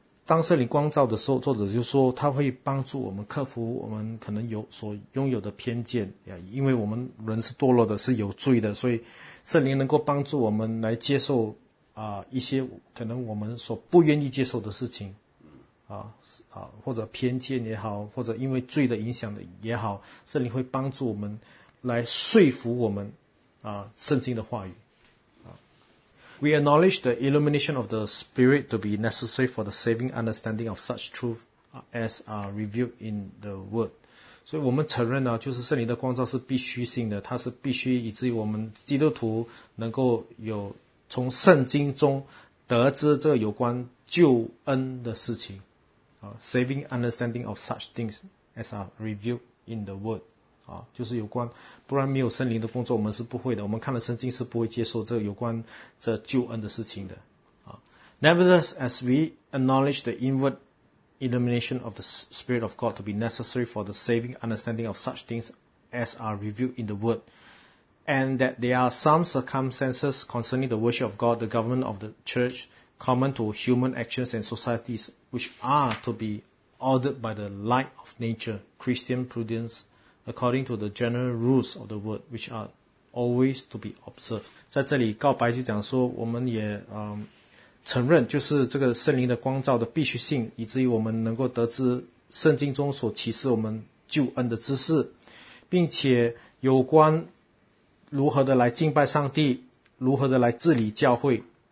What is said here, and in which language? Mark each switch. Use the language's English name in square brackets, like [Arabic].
[Chinese] 当圣灵光照的时候，作者就说他会帮助我们克服我们可能有所拥有的偏见，因为我们人是堕落的，是有罪的，所以圣灵能够帮助我们来接受一些可能我们所不愿意接受的事情或者偏见也好，或者因为罪的影响也好，圣灵会帮助我们来说服我们圣经的话语。 [English] We acknowledge the illumination of the Spirit to be necessary for the saving understanding of such truth as are revealed in the Word. [Chinese] 所以我们承认就是圣灵的光照是必须性的，它是必须以至于我们基督徒能够有从圣经中得知这有关救恩的事情。 [English] Saving understanding of such things as are revealed in the Word. [Chinese] 就是有关，不然没有圣灵的工作我们是不会的，我们看了圣经是不会接受这有关这救恩的事情的。 [English] Nevertheless, as we acknowledge the inward illumination of the Spirit of God to be necessary for the saving understanding of such things as are revealed in the Word, and that there are some circumstances concerning the worship of God, the government of the church, common to human actions and societies, which are to be ordered by the light of nature, Christian prudenceAccording to the general rules of the word, which are always to be observed. [Chinese] 在这里告白就讲说，我们也承认就是这个圣灵的光照的必须性，以至于我们能够得知圣经中所启示我们救恩的知识，并且有关如何的来敬拜上帝，如何的来治理教会